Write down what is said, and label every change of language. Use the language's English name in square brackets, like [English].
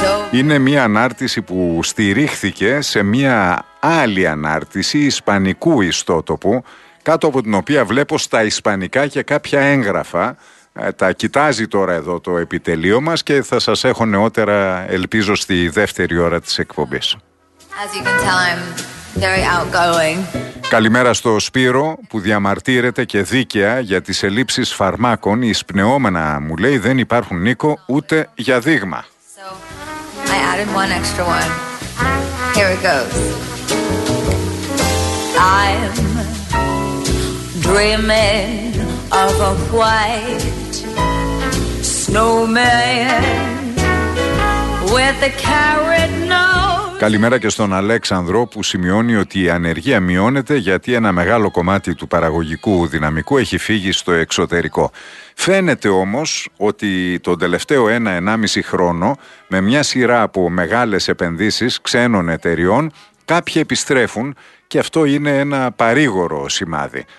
[Greek] Είναι μια ανάρτηση που στηρίχθηκε σε μια άλλη ανάρτηση ισπανικού ιστότοπου, κάτω από την οποία βλέπω στα ισπανικά και κάποια έγγραφα. Τα κοιτάζει τώρα εδώ το επιτελείο μας και θα σας έχω νεότερα, ελπίζω, στη δεύτερη ώρα της εκπομπής. [English] As you can tell, I'm very outgoing. [Greek] Καλημέρα στο Σπύρο που διαμαρτύρεται και δίκαια για τις ελλείψεις φαρμάκων. Οι εισπνεώμενα, μου λέει, δεν υπάρχουν, Νίκο, ούτε για δείγμα. [English] I added one extra one. Here it goes. I'm dreaming of a white snowman with a carrot nose. [Greek] Καλημέρα και στον Αλέξανδρο που σημειώνει ότι η ανεργία μειώνεται γιατί ένα μεγάλο κομμάτι του παραγωγικού δυναμικού έχει φύγει στο εξωτερικό. Φαίνεται όμως ότι τον τελευταίο 1-1,5 χρόνο, με μια σειρά από μεγάλες επενδύσεις ξένων εταιριών, κάποιοι επιστρέφουν και αυτό είναι ένα παρήγορο σημάδι.